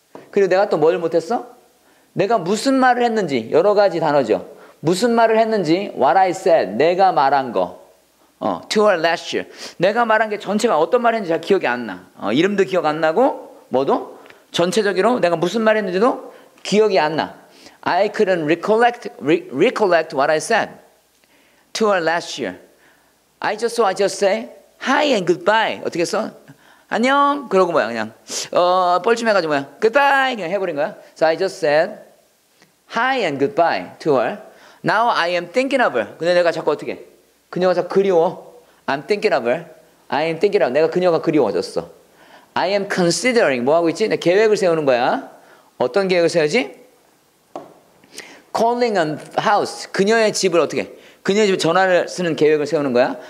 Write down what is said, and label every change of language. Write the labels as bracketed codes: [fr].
[ko] 그리고 내가 또 뭘 못했어? 내가 무슨 말을 했는지 여러 가지 단어죠. 무슨 말을 했는지 [en] what I said [ko] 내가 말한 거. [en] To her last year [ko] 내가 말한 게 전체가 어떤 말 했는지 잘 기억이 안 나. 이름도 기억 안 나고 뭐도 전체적으로 내가 무슨 말 했는지도 기억이 안 나. [en] I couldn't recollect what I said to her last year. I just say hi and goodbye. [ko] 어떻게 써? 안녕 그러고 뭐야 그냥 뻘쭘해가지고 뭐야 goodbye 그냥 해버린 거야. [en] So I just said hi and goodbye to her. Now I am thinking of her. [ko] 근데 내가 자꾸 어떻게 그녀가 자꾸 그리워. [en] I'm thinking of her. I am thinking of her. [ko] 내가 그녀가 그리워졌어. [en] I am considering. [ko] 뭐하고 있지? 내 계획을 세우는 거야. 어떤 계획을 세우지? [en] Calling a house. [ko] 그녀의 집을 어떻게 그녀의 집에 전화를 쓰는 계획을 세우는 거야.